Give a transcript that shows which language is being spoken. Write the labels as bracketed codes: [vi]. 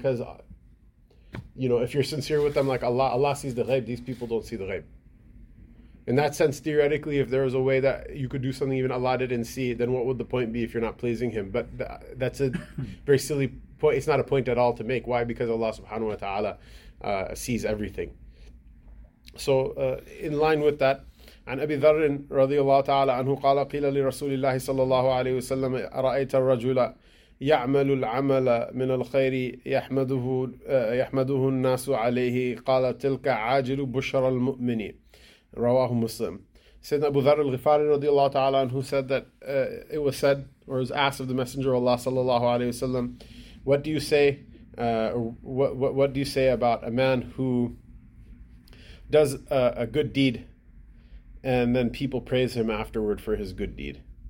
[en] Because, you know, if you're sincere with them, like Allah sees the ghaib, these people don't see the ghaib. In that sense, theoretically, if there was a way that you could do something even Allah didn't see, then what would the point be if you're not pleasing Him? But that's a very silly point. It's not a point at all to make. Why? Because Allah subhanahu wa ta'ala sees everything. So in line with that, [ar] عن أبي ذر رضي الله تعالى عنه قال قيل لرسول الله صلى الله عليه وسلم أرأيت الرجل يعمل العمل من الخير يحمده الناس عليه قال تلك عاجل بشرى المؤمنين. Rawahu Muslim. [en] Sayyidina Abu Dharr al-Ghifari radiallahu ta'ala anhu said that it was said, or was asked of the Messenger of Allah sallallahu alayhi wa sallam, what do you say what do you say about a man who does a good deed and then people praise him afterward for his good deed?